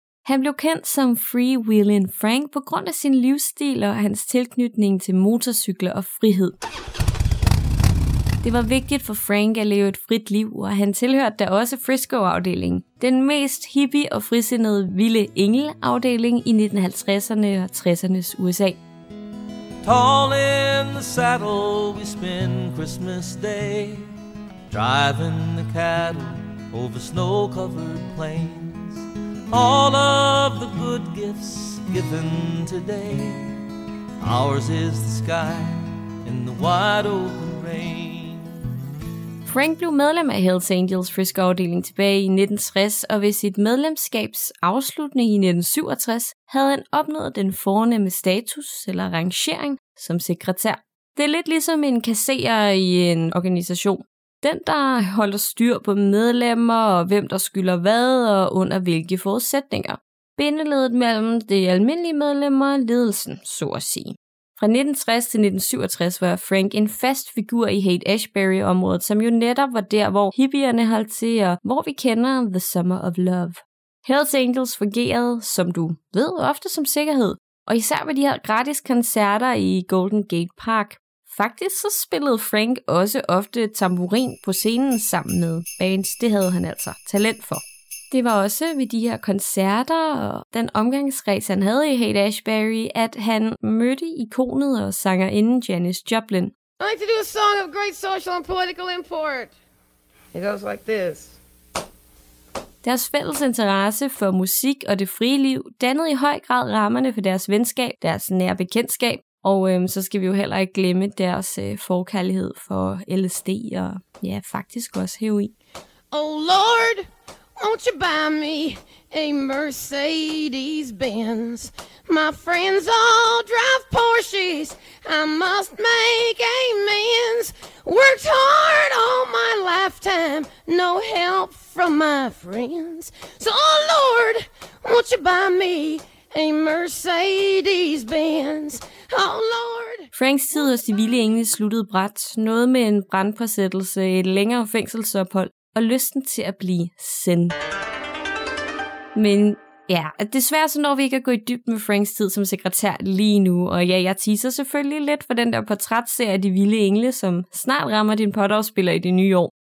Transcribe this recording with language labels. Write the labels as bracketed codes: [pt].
[da] Han blev kendt som Free Wheelin' Frank på grund af sin livsstil og hans tilknytning til motorcykler og frihed. Det var vigtigt for Frank at leve et frit liv, og han tilhørte da også Frisco-afdelingen, den mest hippie og frisindede vilde engel-afdeling i 1950'erne og 60'ernes USA. [en] Tall in the saddle, we spend Christmas Day, driving the cattle over snow-covered plains. All of the good gifts given today, ours is the sky and the wide open rain. [da] Frank blev medlem af Hells Angels Frisco-afdeling tilbage i 1960, og ved sit medlemskabs afslutning i 1967 havde han opnået den fornemme status eller rangering som sekretær. Det er lidt ligesom en kasserer i en organisation. Den, der holder styr på medlemmer og hvem, der skylder hvad og under hvilke forudsætninger. Bindeledet mellem det almindelige medlemmer og ledelsen, så at sige. Fra 1960 til 1967 var Frank en fast figur i Haight-Ashbury-området, som jo netop var der, hvor hippierne holdt til, og hvor vi kender The Summer of Love. Hells Angels fungerede, som du ved, ofte som sikkerhed, og især ved de her gratis koncerter i Golden Gate Park. Faktisk så spillede Frank også ofte tamburin på scenen sammen med bands, det havde han altså talent for. Det var også ved de her koncerter og den omgangskreds, han havde i Haight-Ashbury, at han mødte ikonet og sangerinden Janis Joplin. [en] I like to do a song of great social and political import. It goes like this. [da] Deres fælles interesse for musik og det frie liv dannede i høj grad rammerne for deres venskab, deres nære bekendtskab, og så skal vi jo heller ikke glemme deres forkærlighed for LSD og ja, faktisk også heroin. [en] Oh Lord! Won't you buy me a Mercedes-Benz? My friends all drive Porsches. I must make amends. Worked hard all my lifetime. No help from my friends. So, oh Lord, won't you buy me a Mercedes-Benz? Oh Lord. [da] Franks tid hos de vilde engle sluttede brat. Noget med en brandpåsættelse, et længere fængselsophold og lysten til at blive zen. Men ja, desværre så når vi ikke at gå i dybden med Franks tid som sekretær lige nu, og ja, jeg teaser selvfølgelig lidt for den der portrætserie af de vilde engle, som snart rammer din potterspiller i det nye år.